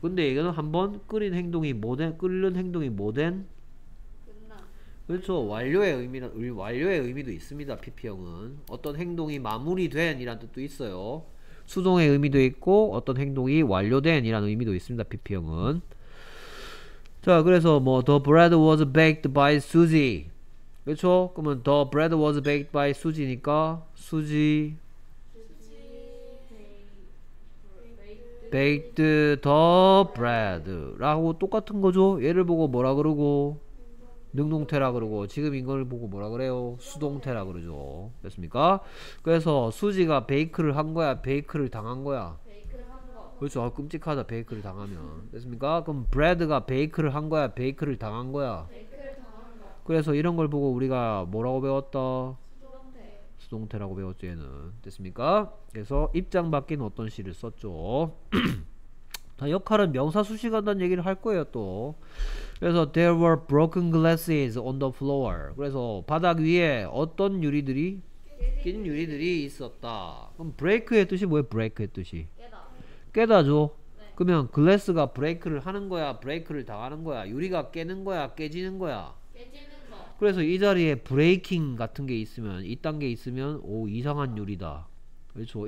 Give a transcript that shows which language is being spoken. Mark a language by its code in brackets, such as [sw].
[ko] 근데 이거는 한번 끓인 행동이 뭐든 끓는 행동이 뭐든 그렇죠. 완료의 의미도 있습니다. PP형은 어떤 행동이 마무리된 이란 뜻도 있어요. 수동의 의미도 있고 어떤 행동이 완료된 이란 의미도 있습니다. PP형은. 자, 그래서 뭐 [en] the bread was baked by Susie. [ko] 그렇죠. 그러면 [en] the bread was baked by Susie니까 Susie baked the bread [ko] 라고 똑같은 거죠. 얘를 보고 뭐라 그러고 능동태라 그러고 지금 인걸 보고 뭐라 그래요? 수동태라 그러죠. 됐습니까? 그래서 수지가 베이크를 한 거야? 베이크를 당한 거야? 베이크를 한 거. 그렇죠. 아, 끔찍하다. 베이크를 당하면. 됐습니까? 그럼 브래드가 베이크를 한 거야? 베이크를 당한 거야? 베이크를 당한 거. 그래서 이런 걸 보고 우리가 뭐라고 배웠다? 수동태라고 배웠죠 얘는. 됐습니까? 그래서 입장 바뀐 어떤 시를 썼죠. 다 역할은 명사 수식한다는 얘기를 할 거예요 또. 그래서 [en] there were broken glasses on the floor. [ko] 그래서 바닥 위에 어떤 유리들이 깬 유리들이 있었다. 그럼 break의 뜻이 뭐예요? break의 뜻이 깨다죠. 네. 그러면 glass가 break를 하는 거야, break를 당하는 거야, 유리가 깨는 거야, 깨지는 거야. 깨지는 거. 그래서 이 자리에 breaking 같은 게 있으면, 이딴 게 있으면 오 이상한 유리다. 그렇죠.